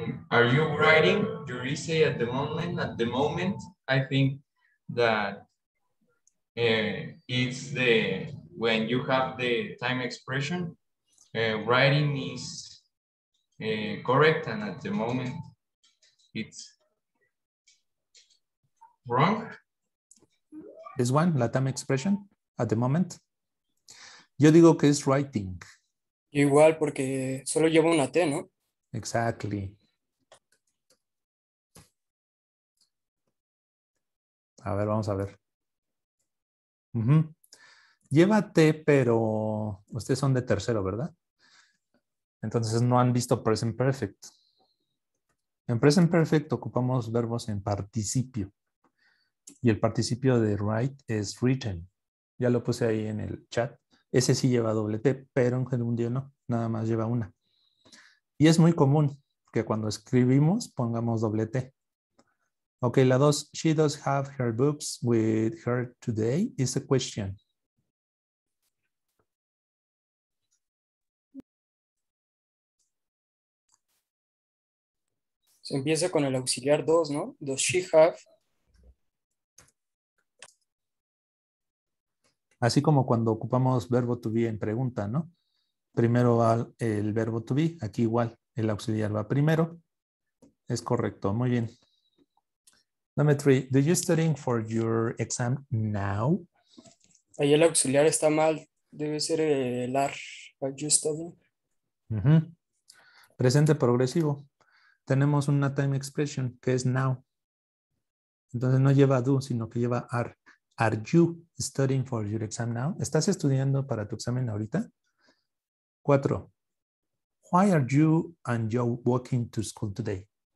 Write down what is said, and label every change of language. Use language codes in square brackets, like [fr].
[en] Are you writing your essay at the moment? At the moment, I think that it's the when you have the time expression, writing is correct, and at the moment it's wrong. This one, la time expression, at the moment. [es] Yo digo que es writing. Igual, porque solo lleva una T, ¿no? [en] Exactly. [es] A ver, vamos a ver. Uh-huh. Lleva T, pero ustedes son de tercero, ¿verdad? Entonces no han visto present perfect. En present perfect ocupamos verbos en participio. Y el participio de write es written. Ya lo puse ahí en el chat. Ese sí lleva doble T, pero en gerundio no, nada más lleva una. Y es muy común que cuando escribimos pongamos doble T. [en] Ok, [es] la dos, [en] she does have her books with her today, is a question. [es] Se empieza con el auxiliar dos, ¿no? [en] Does she have... [es] Así como cuando ocupamos verbo to be en pregunta, ¿no? Primero va el verbo to be, aquí igual, el auxiliar va primero. Es correcto, muy bien. [en] Number three, do you study for your exam now? [es] Ahí el auxiliar está mal, debe ser el [en] are you studying. [es] Uh-huh. presente progresivo, tenemos una time expression que es now. Entonces no lleva do, sino que lleva are. [en] Are you studying for your exam now? [es] ¿Estás estudiando para tu examen ahorita? 4. [en] Why are you and Joe walking to school today?